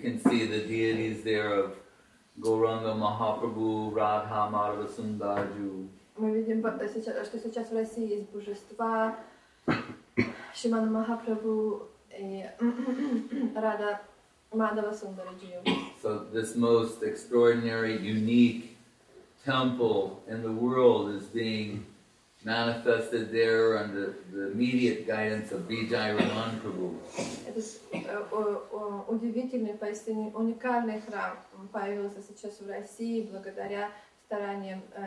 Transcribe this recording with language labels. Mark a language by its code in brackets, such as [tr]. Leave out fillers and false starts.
[en] You can see the deities there of Gauranga Mahaprabhu, Radha, Madhava Sundarju. [ru] Мы видим, что сейчас в России есть божества Шримана Махапрабху и Радха Мадхава Сундарджи. [en] So this most extraordinary, unique temple in the world is being manifested there under the immediate guidance of Vijay Raman Prabhu. [ru] Это удивительный, поистине уникальный храм появился сейчас в России благодаря стараниям